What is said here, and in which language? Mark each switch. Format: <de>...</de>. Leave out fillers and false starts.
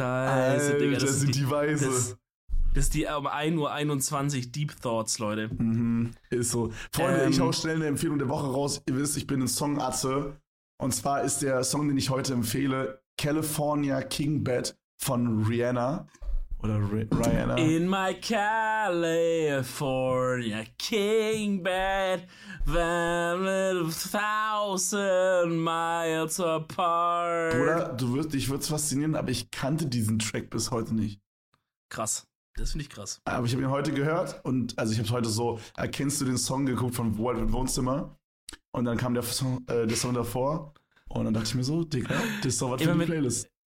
<de>Alter, Digga. Das sind die Weise. Das ist die um 1.21 Uhr Deep Thoughts, Leute. Mhm. Ist so. Freunde, ich hau schnell eine Empfehlung der Woche raus. Ihr wisst, ich bin ein Songatze. Und zwar ist der Song, den ich heute empfehle, California King Bed von Rihanna. Oder Rihanna.</de> <en>In my California King Bed, when we're 1,000 miles apart.</en> <de>Bruder, dich wird's faszinieren, aber ich kannte diesen Track bis heute nicht. Krass. Das finde ich krass. Aber ich habe ihn heute gehört und also ich habe heute so, erkennst du den Song geguckt von Wild mit Wohnzimmer? Und dann kam der Song davor und dann dachte ich mir so, Digga, das ist doch was für die Playlist.</de>